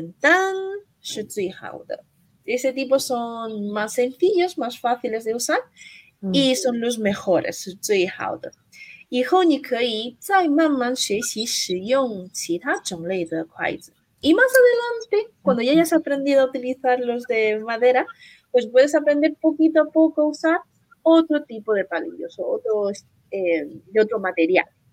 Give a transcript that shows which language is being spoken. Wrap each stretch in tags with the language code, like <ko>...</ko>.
<zh>这种的更简单是最好的.</zh> <es>Ese tipo son más sencillos, más fáciles de usar y son los mejores,</es> <zh>是最好的. 以后你可以再慢慢学习使用其他种类的筷子.</zh> <es>Y más adelante, cuando ya hayas aprendido a utilizar los de madera, pues puedes aprender poquito a poco a usar otro tipo de palillos o otro material.</es>